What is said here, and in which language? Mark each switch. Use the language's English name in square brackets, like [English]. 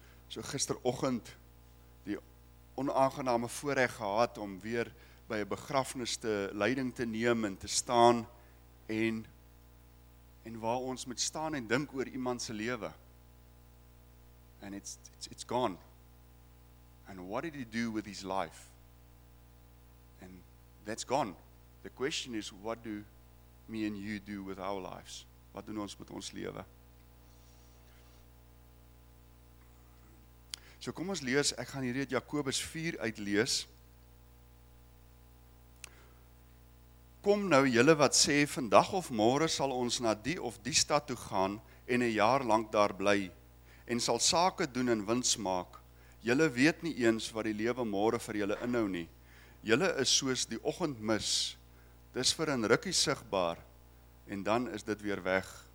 [Afrikaans] So gisteroggend die onaangename voorreg gehad om weer by 'n begrafnis te leiding te neem en te staan en waar ons moet staan en dink oor iemand se lewe. [English] And it's gone. And what did he do with his life? And that's gone. The question is, what do me and you do with our lives? [Afrikaans] Wat doen ons met ons lewe? So kom ons lees, ek gaan hierdie uit Jakobus 4 uitlees. Kom nou julle wat sê, vandag of môre sal ons na die of die stad toe gaan en 'n jaar lank daar bly en sal sake doen en wins maak. Julle weet nie eens wat die lewe môre vir julle inhou nie. Julle is soos die oggendmis. Dis vir 'n rukkie sigbaar en dan is dit weer weg.